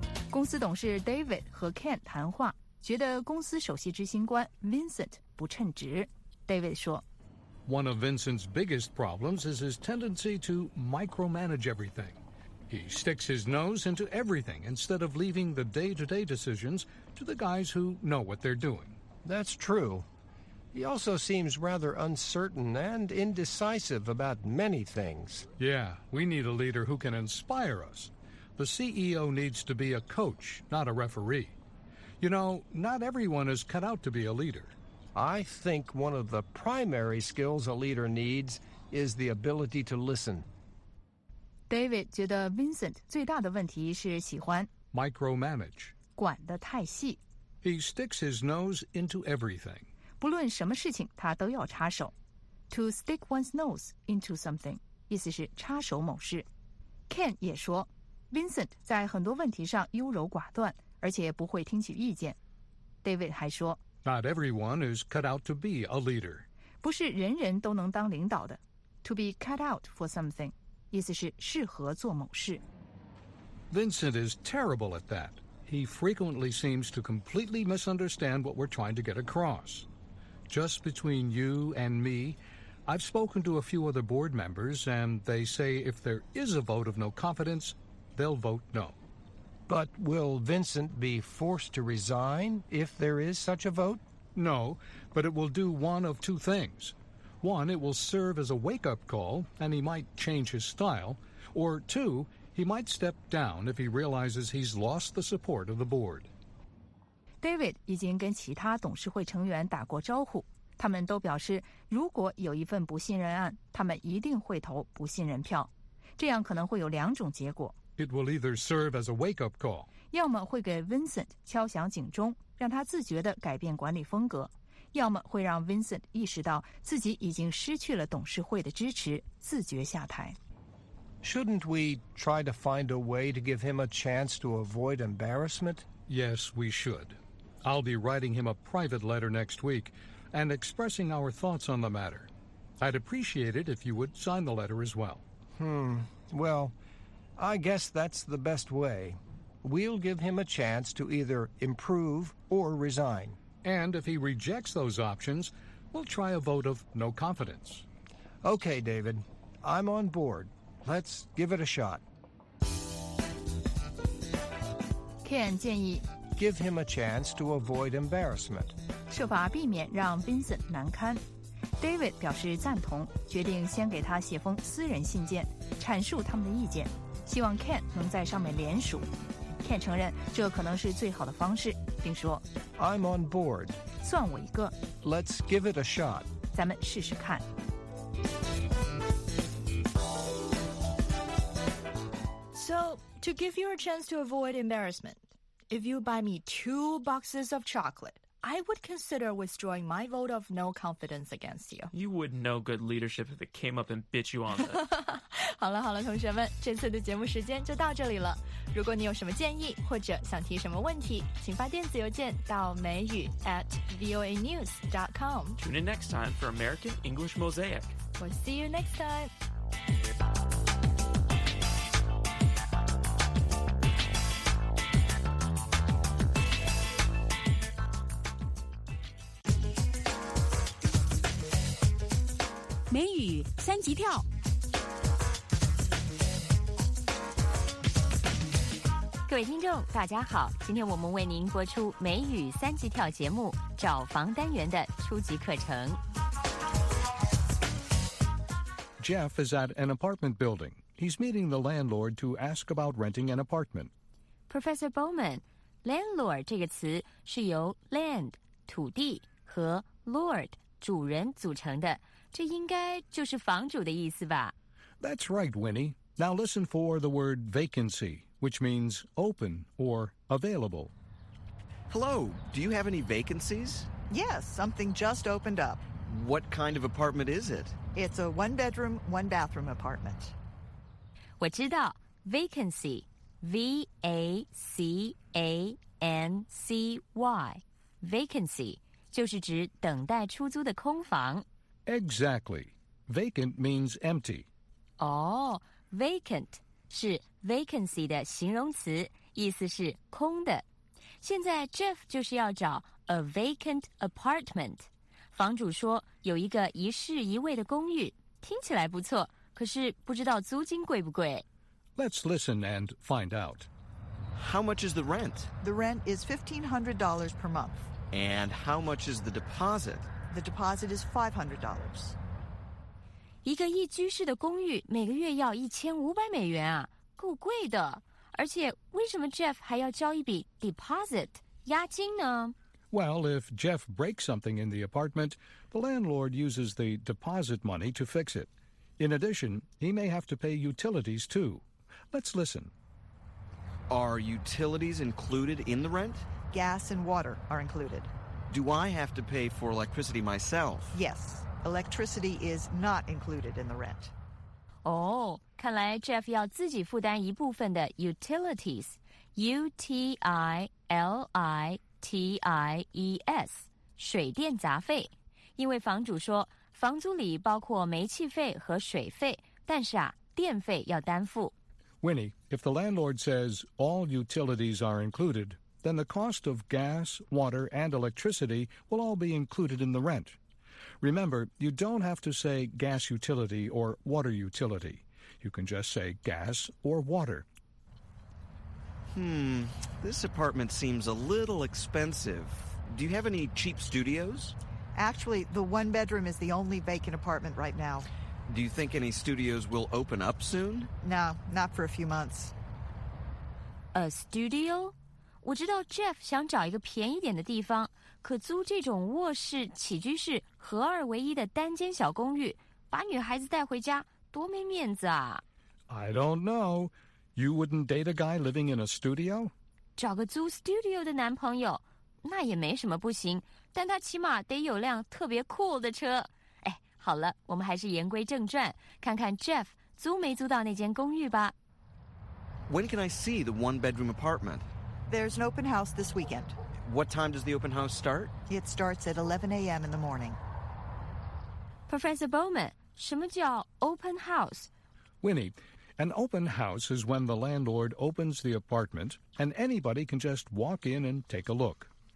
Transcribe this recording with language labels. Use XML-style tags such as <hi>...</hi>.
<zh>公司董事 David 和 Ken 谈话，觉得公司首席执行官 Vincent 不称职。 David 说</zh> <en>One of Vincent's biggest problems is his tendency to micromanage everything. He sticks his nose into everything instead of leaving the day-to-day decisions to the guys who know what they're doing. That's true. He also seems rather uncertain and indecisive about many things. Yeah, we need a leader who can inspire us. The CEO needs to be a coach, not a referee. You know, not everyone is cut out to be a leader. I think one of the primary skills a leader needs is the ability to listen.</en> <zh>David 觉得 Vincent 最大的问题是喜欢</zh> <en>micromanage.</en> <zh>管得太细。</zh> <en>He sticks his nose into everything.</en> <zh>不论什么事情他都要插手。</zh> <en>To stick one's nose into something</en> <zh>意思是插手某事。 Ken 也说 Vincent 在很多问题上优柔寡断，而且不会听取意见。 David 还说</zh> <en>Not everyone is cut out to be a leader.</en> <zh>不是人人都能当领导的。</zh> <en>To be cut out for something</en> <zh>意思是适合做某事。</zh> <en>Vincent is terrible at that. He frequently seems to completely misunderstand what we're trying to get across. Just between you and me, I've spoken to a few other board members, and they say if there is a vote of no confidence, they'll vote no. But will Vincent be forced to resign if there is such a vote? No, but it will do one of two things. One, it will serve as a wake-up call, and he might change his style. Or two, he might step down if he realizes he's lost the support of the board.</en> <zh>David 已经跟其他董事会成员打过招呼，他们都表示如果有一份不信任案，他们一定会投不信任票。这样可能会有两种结果。</zh> <en>It will either serve as a wake-up call.</en> <zh>要么会给 Vincent 敲响警钟，让他自觉地改变管理风格，要么会让 Vincent 意识到自己已经失去了董事会的支持，自觉下台。</zh> <en>Shouldn't we try to find a way to give him a chance to avoid embarrassment? Yes, we should. I'll be writing him a private letter next week and expressing our thoughts on the matter. I'd appreciate it if you would sign the letter as well. Well, I guess that's the best way. We'll give him a chance to either improve or resign. And if he rejects those options, we'll try a vote of no confidence. Okay, David. I'm on board. Let's give it a shot.</en> <zh>Ken 建议</zh> <en>Give him a chance to avoid embarrassment.</en> <zh>设法避免让 Vincent 难堪。David 表示赞同，决定先给他写封私人信件，阐述他们的意见，希望 Ken 能在上面联署。 Ken 承认这可能是最好的方式，并说</zh> <en>I'm on board.</en> <zh>算我一个。</zh> <en>Let's give it a shot.</en> <zh>咱们试试看。</zh> <en>So, to give you a chance to avoid embarrassment,If you buy me 2 boxes of chocolate, I would consider withdrawing my vote of no confidence against you. You wouldn't know good leadership if it came up and bit you on it.</en> <zh>好了好了，同学们，这次的节目时间就到这里了。如果你有什么建议或者想提什么问题，请发电子邮件到美语@voanews.com.</zh> <en>Tune in next time for American English Mosaic. We'll see you next time.</en> <zh>美语三级跳。各位听众大家好，今天我们为您播出美语三级跳节目找房单元的初级课程。</zh> <en>Jeff is at an apartment building. He's meeting the landlord to ask about renting an apartment.</en> <zh>Professor Bowman, landlord 这个词是由 land, 土地和 lord, 主人组成的。这应该就是房主的意思吧？</zh> <en>That's right, Winnie. Now listen for the word vacancy, which means open or available. Hello, do you have any vacancies? Yes, something just opened up. What kind of apartment is it? It's a one-bedroom, one-bathroom apartment.</en> <zh>我知道 vacancy, V-A-C-A-N-C-Y, vacancy, 就是指等待出租的空房。</zh> <en>Exactly. Vacant means empty.</en> <zh>Oh, vacant 是 vacancy 的形容词，意思是空的。现在 Jeff 就是要找</zh> <en>a vacant apartment.</en> <zh>房主说有一个一室一卫的公寓，听起来不错，可是不知道租金贵不贵。</zh> <en>Let's listen and find out. How much is the rent? The rent is $1,500 per month. And how much is the deposit? The deposit is $500.</en> <zh>一个一居室的公寓每个月要$1,500啊，够贵的。而且为什么 Jeff 还要交一笔 deposit, 押金呢？</zh> <en>Well, if Jeff breaks something in the apartment, the landlord uses the deposit money to fix it. In addition, he may have to pay utilities, too. Let's listen. Are utilities included in the rent? Gas and water are included. Do I have to pay for electricity myself? Yes. Electricity is not included in the rent.</en> <zh>Oh, 看来 Jeff 要自己负担一部分的 utilities. U-T-I-L-I-T-I-E-S 水电杂费，因为房主说房租里包括煤气费和水费，但是啊，电费要担负。</zh> <en>Winnie, if the landlord says all utilities are included, then the cost of gas, water, and electricity will all be included in the rent. Remember, you don't have to say gas utility or water utility. You can just say gas or water. This apartment seems a little expensive. Do you have any cheap studios? Actually, the one bedroom is the only vacant apartment right now. Do you think any studios will open up soon? No, not for a few months. A studio?</en> <zh>我知道 Jeff 想找一个便宜点的地方，可租这种卧室、起居室合二为一的单间小公寓，把女孩子带回家，多没面子啊。</zh> <en>I don't know. You wouldn't date a guy living in a studio?</en> <zh>找个租 studio 的男朋友，那也没什么不行，但他起码得有辆特别 cool 的车。哎，好了，我们还是言归正传，看看 Jeff 租没租到那间公寓吧。</zh> <en>When can I see the one-bedroom apartment? There's an open house this weekend. What time does the open house start? It starts at 11 a.m. in the morning.</en> <zh>Professor Bowman, 什么叫 open house?</zh> <en>Winnie... An open house is when the landlord opens the apartment and anybody can just walk in and take a look.</en>